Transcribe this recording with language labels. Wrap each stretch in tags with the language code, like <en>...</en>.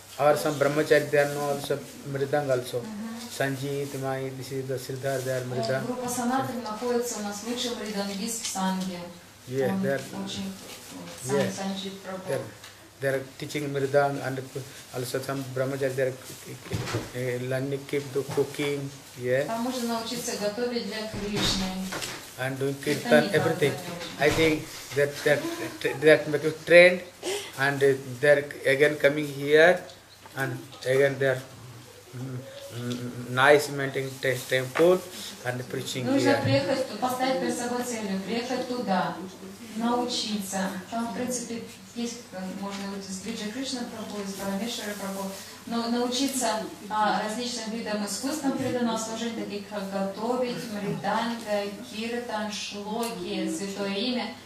<en>Our some brahmacharis they are know also mridang also. Sanjit, Mai, this is the Sridhar, they are mridang.</en> <ru>Группа Санатани находится у нас лучший мридангист в Санге.</ru> <en>Yeah, they are.</en> <ru>Очень.</ru> <en>Yeah.</en> <ru>Sanjit Prabhu.</ru> <en>They are teaching mridang and also some brahmacharis they are learning keep the cooking. Yeah.</en> <ru>Там можно научиться готовить для Кришны.</ru> <en>And doing kirtan, everything. I think that make you trained, and they're again coming here, and again they're nice maintaining temple and preaching here.</en> <ru>Нужно приехать, поставить перед собой целью, приехать туда, научиться. Там, в принципе, есть, можно быть, из Бриджа Кришна Прабху, из Парамешвара Прабху, но научиться различным видам искусства преданного служения, таких как готовить, мриданга, киртан, шлоки, святое имя.</ru>